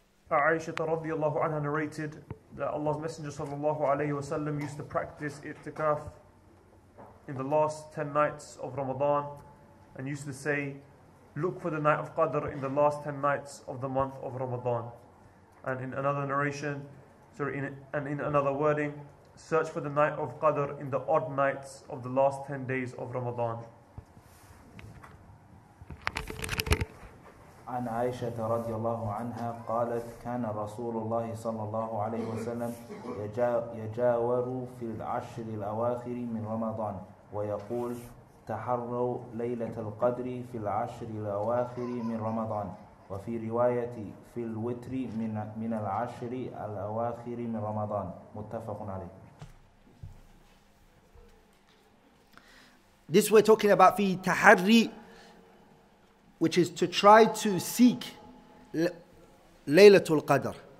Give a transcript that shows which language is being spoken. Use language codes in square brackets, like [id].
[en] Aisha radiyallahu anha narrated that Allah's Messenger sallallahu alayhi wa sallam used to practice i'tikaf in the last 10 nights of Ramadan, and used to say, look for the night of Qadr in the last 10 nights of the month of Ramadan. And in another narration, in another wording, search for the night of Qadr in the odd nights of the last 10 days of Ramadan. [ar] عن عائشة رضي الله عنها قالت كان رسول الله صلى الله عليه وسلم يجاور في العشر الأواخر من رمضان ويقول تحروا ليلة القدر في العشر الأواخر من رمضان وفي رواية في الوتر من العشر الأواخر من رمضان متفق عليه. [en] This we're talking about في تحري, which is to try to seek Laylatul Qadr.